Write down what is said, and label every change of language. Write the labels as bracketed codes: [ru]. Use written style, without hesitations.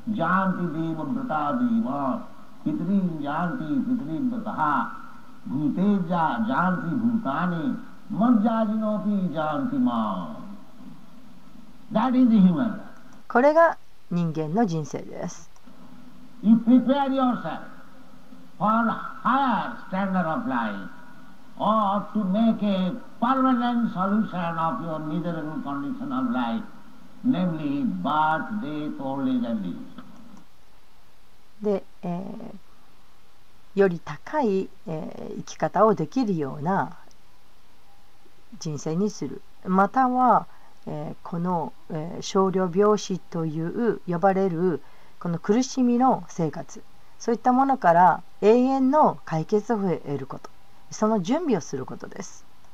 [sa] ジャンティディバタディバヒトリンジャンティヒトリンバタハブテジャジャンティブタネマジャジノピジャンティマン。 [en] That is the human. [ja] これが人間の人生です。 [en] You prepare yourself for higher standard of life or to make a permanent solution of your miserable condition of life, namely birth, death, old age and death. [ja] で、より高い、生き方をできるような人生にする、または、この、少量病死という呼ばれるこの苦しみの生活、そういったものから永遠の解決を得ること、その準備をすることです。